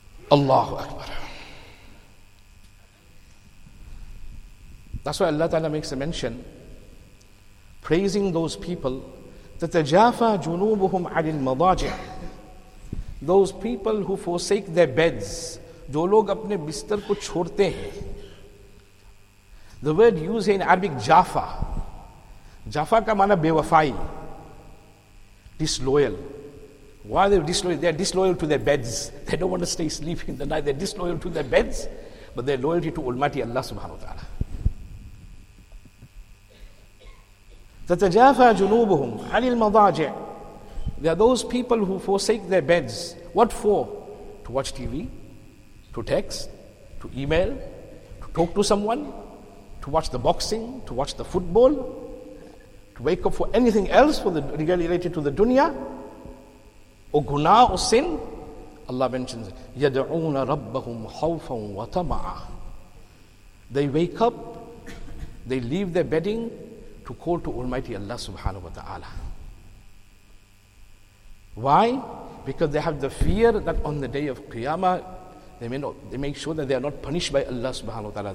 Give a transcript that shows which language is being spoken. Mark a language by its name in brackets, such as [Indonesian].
[English] Allahu Akbar. That's why Allah Ta'ala makes a mention, praising those people, [Arabic] تَتَجَافَى جُنُوبُهُمْ عَلِ الْمَضَاجِعِ. [English] Those people who forsake their beds, [Urdu] جو لوگ اپنے بستر کو چھوڑتے ہیں. [English] The word used here in Arabic, جَافَى. [Urdu] جَافَى کا معنی بے وفائی. [English] Disloyal. Why are they disloyal? They are disloyal to their beds. They don't want to stay asleep in the night. They are disloyal to their beds, but their loyalty to Almighty Allah subhanahu wa ta'ala. [Arabic] تَتَجَافَى جُنُوبُهُمْ عَلِ الْمَضَاجِعِ. [English] They are those people who forsake their beds. What for? To watch TV, to text, to email, to talk to someone, to watch the boxing, to watch the football, to wake up for anything else for the related to the dunya, or guna or sin. Allah mentions, [Arabic] يَدْعُونَ رَبَّهُمْ خَوْفًا وَطَمَعًا. [English] They wake up, they leave their bedding, to call to Almighty Allah subhanahu wa ta'ala. Why? Because they have the fear that on the day of Qiyamah, they make sure that they are not punished by Allah subhanahu wa ta'ala.